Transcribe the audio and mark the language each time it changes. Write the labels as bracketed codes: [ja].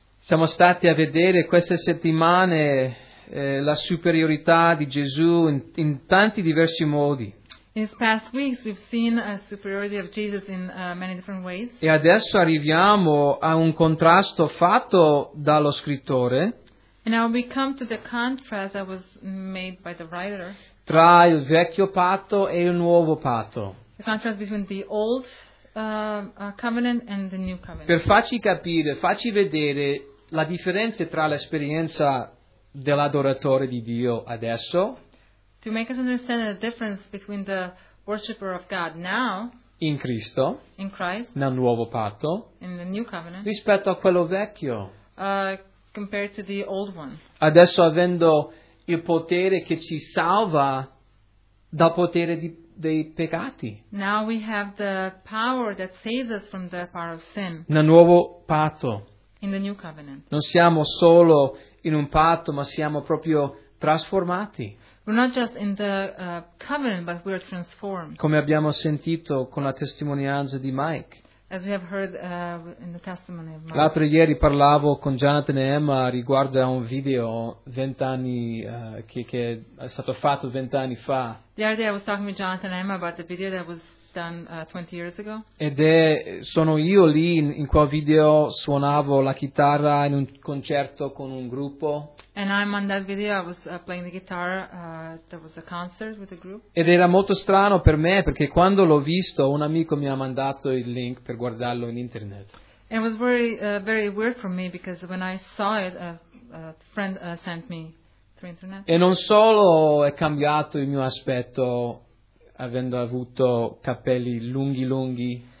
[it] Siamo stati a vedere queste settimane la superiorità di Gesù in tanti diversi modi. [en] In these past weeks, we've seen a superiority of Jesus in many different ways. [it] E adesso arriviamo a un contrasto fatto dallo scrittore. [en] And now we come to the contrast that was made by the writer. [it] Tra il vecchio patto e il nuovo patto. [en] The contrast between the old covenant and the new covenant. [it] Per farci capire, farci vedere la differenza tra l'esperienza dell'adoratore di Dio adesso. [en] To make us understand the difference between the worshipper of God now. [it] In Cristo. [en] In Christ. [it] Nel nuovo patto. [en] In the new covenant. [it] Rispetto a quello vecchio. [en] Compared to the old one. [it] Adesso avendo il potere che ci salva dal potere dei peccati. [en] Now we have the power that saves us from the power of sin. [it] Nel nuovo patto. [en] In the new covenant. [it] Non siamo solo in un patto, ma siamo proprio trasformati. [en] We're not just in the covenant, but we're transformed. [it] Come abbiamo sentito con la testimonianza di Mike. [en] As we have heard in the testimony of Mike. [it] L'altro ieri parlavo con Jonathan e Emma riguardo a un video che è stato fatto 20 anni fa. [en] The other day I was talking with Jonathan and Emma about the video that was done 20 years ago. [it] Ed è, sono io lì in quel video, suonavo la chitarra in un concerto con un gruppo. [en] And I'm on that video, I was playing the guitar, there was a concert with a group. [it] Ed era molto strano per me, perché quando l'ho visto, un amico mi ha mandato il link per guardarlo in internet. [en] It was very, very weird for me, because when I saw it, a friend sent me through internet. [it] E non solo è cambiato il mio aspetto, avendo avuto capelli lunghi lunghi.